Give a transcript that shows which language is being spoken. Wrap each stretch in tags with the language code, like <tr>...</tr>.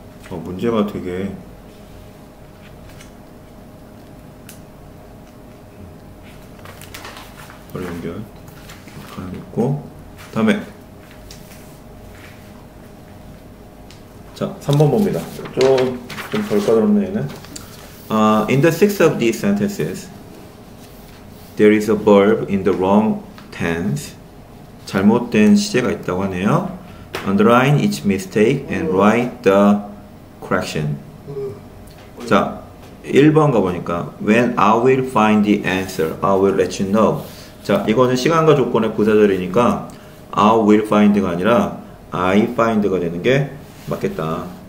<ko>문제가 되게 바로 연결 가야겠고 다음에 자 3번 봅니다. 좀 덜까다롭네 얘는.</ko> <en>In the six of these sentences there is a verb in the wrong tense.</en> <ko>잘못된 시제가 있다고 하네요.</ko> <en>Underline each mistake and write the correction.</en> <ko>자 1번 가보니까</ko> <en>when I will find the answer I will let you know.</en> <ko>자 이거는 시간과 조건의 부사절이니까 I will find가 아니라 I find가 되는게 맞겠다.</ko>